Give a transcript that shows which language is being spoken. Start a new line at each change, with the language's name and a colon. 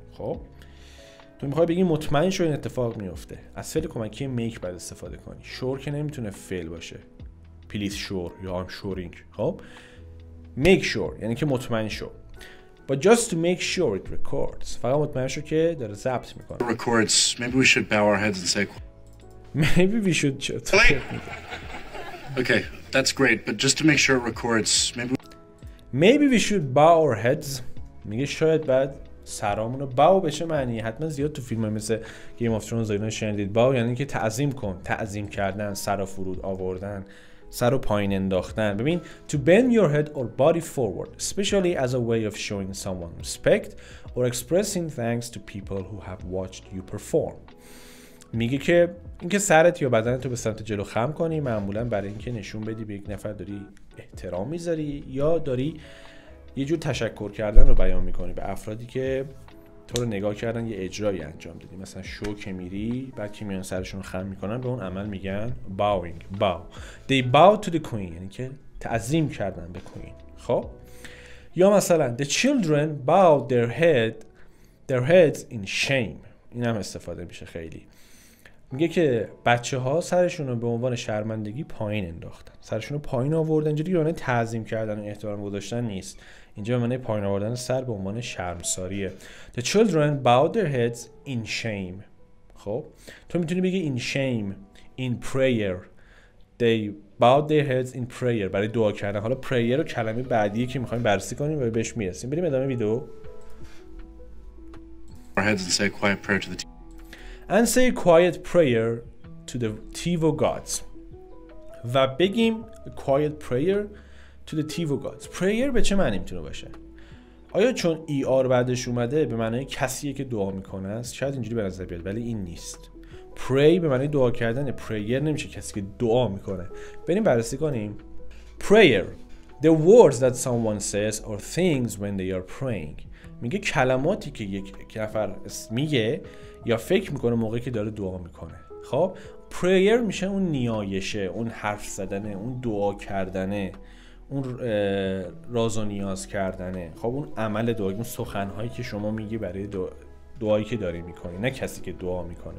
Persian: خب تو میخوای بگی مطمئن شو این اتفاق میفته، از فعل کمکی make باید استفاده کنی. sure که نمیتونه فعل باشه،
English: please sure
Persian: یا
English: I'm sureing. خب make sure
Persian: یعنی که مطمئن شو.
English: But just to make sure it records.
Persian: فقط مطمئن شو که داره ضبط میکنه.
English: records. maybe we should bow our heads and say maybe we should just okay that's great but just to make sure it records maybe we should bow our heads.
Persian: میگه شاید بعد سرامون رو باو بشه معنی. حتما زیاد تو فیلم مثل گیم آف ترونز اینا شنیدید، باو یعنی که تعظیم کن، تعظیم کردن، سر و فرود آوردن، سر و پایین انداختن.
English: ببین to bend your head or body forward especially as a way of showing someone respect or expressing thanks to people who have watched you perform.
Persian: میگه که اینکه سرت یا بدنت رو به سمت جلو خم کنی معمولا برای اینکه نشون بدی به یک نفر داری احترام میذاری یا داری یه جور تشکر کردن رو بیان میکنی به افرادی که تو رو نگاه کردن یه اجرایی انجام دادی. مثلا شو که میری بعد که میان سرشون خم میکنن به اون عمل میگن bowing.
English: bow they bow to the queen
Persian: یعنی که تعظیم کردن به کوین. خب یا مثلا
English: the children bow their heads in shame.
Persian: این هم استفاده میشه خیلی. میگه که بچه‌ها سرشون رو به عنوان شرمندگی پایین انداختن، سرشون رو پایین آوردن. اینجوری یعنی تعظیم کردن و احترام گذاشتن نیست، اینجا به معنی پایین آوردن سر به عنوان شرمساریه.
English: The children bowed their heads in shame.
Persian: خب تو میتونی بگی
English: in shame in prayer they bowed their heads in prayer
Persian: برای دعا کردن. حالا prayer رو کلمه بعدیه که میخوایم بررسی کنیم و بهش میرسیم. بریم ادامه ویدیو.
English: Our heads and say quiet prayer to the And say a quiet prayer to the Tivo gods.
Persian: و بگیم
English: a quiet prayer to the Tivo gods.
Persian: Prayer به چه معنی میتونه باشه؟ آیا چون ER بعدش اومده به معنی کسیه که دعا میکنه است؟ شاید اینجوری به نظر بیاد ولی این نیست. Pray به معنی دعا کردن. Prayer نمیشه کسی که دعا میکنه. بریم بررسی کنیم. Prayer.
English: The words that someone says or things when they are praying.
Persian: میگه کلماتی که یک نفر میگه یا فکر میکنه موقعی که داره دعا میکنه. خب پرایر میشه اون نیایشه، اون حرف زدنه، اون دعا کردنه، اون راز و نیاز کردنه. خب اون عمل دعا، اون سخنهایی که شما میگی برای دعایی که داری میکنی، نه کسی که دعا میکنه.